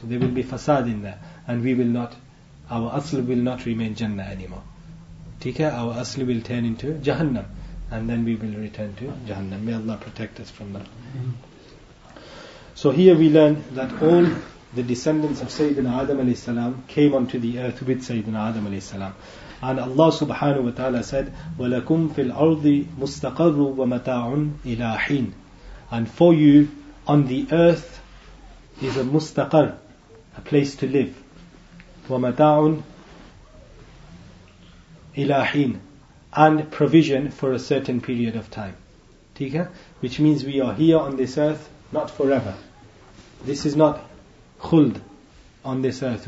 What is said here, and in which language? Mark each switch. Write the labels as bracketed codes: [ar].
[en] There will be fasad in there. And we will not, our asl will not remain Jannah anymore. Theka, our asl will turn into Jahannam. And then we will return to Jahannam. May Allah protect us from that. So here we learn that all the descendants of Sayyidina Adam alayhi salam came onto the earth with Sayyidina Adam alayhi salam. And Allah subhanahu wa ta'ala said, [ar] وَلَكُمْ فِي الْأَرْضِ مُسْتَقَرُّ وَمَتَاعٌ إِلَىٰ حِينٍ. [en] And for you, on the earth, is a mustaqar, a place to live. [ar] وَمَتَاعٌ إِلَىٰ حِينٍ. [en] And provision for a certain period of time. Tika? Which means we are here on this earth, not forever. This is not khuld on this earth.